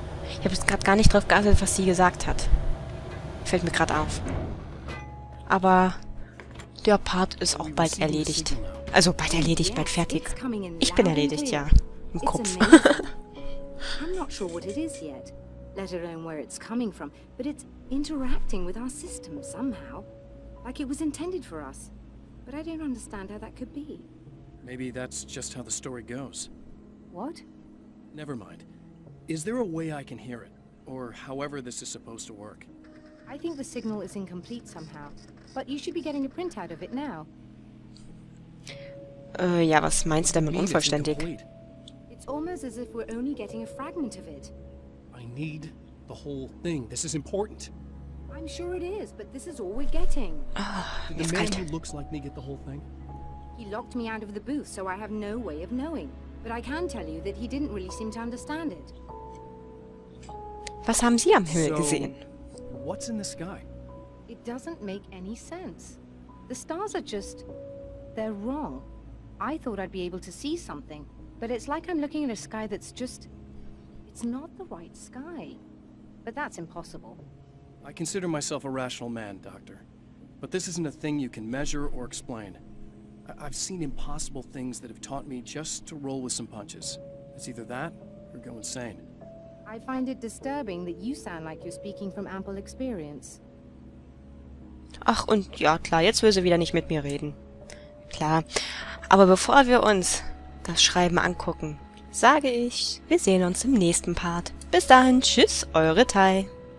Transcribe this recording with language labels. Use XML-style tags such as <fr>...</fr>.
<de>Ich habe jetzt gerade gar nicht drauf geachtet, was sie gesagt hat. Fällt mir gerade auf. Aber der Part ist auch bald erledigt. Also bald erledigt, bald fertig. Ich bin erledigt, ja. Im Kopf.</de> <en>I'm not sure what it is yet, let alone where it's coming from, but it's interacting with our system somehow, like it was intended for us. But I don't understand how that could be. Maybe that's just how the story goes. What? Never mind. Is there a way I can hear it, or however this is supposed to work? I think the signal is incomplete somehow, but you should be getting a printout of it now.</en> <de>Ja, was meinst du denn mit unvollständig?</de> <en>Almost as if we're only getting a fragment of it. I need the whole thing. This is important. I'm sure it is, but this is all we're getting. Did the man who looks like me get the whole thing? He locked me out of the booth, so I have no way of knowing. But I can tell you that he didn't really seem to understand it.</en> <de>Was haben Sie am Himmel gesehen?</de> <en>What's in the sky? It doesn't make any sense. The stars are just... they're wrong. I thought I'd be able to see something. But it's like I'm looking at a sky that's just... it's not the right sky. But that's impossible. I consider myself a rational man, Doctor. But this isn't a thing you can measure or explain. I've seen impossible things that have taught me just to roll with some punches. It's either that, or go insane. I find it disturbing that you sound like you're speaking from ample experience.</en> <de>Ach, und ja, klar, jetzt will sie wieder nicht mit mir reden. Klar. Aber bevor wir uns... das Schreiben angucken, sage ich, wir sehen uns im nächsten Part. Bis dahin, tschüss, eure Tai.</de>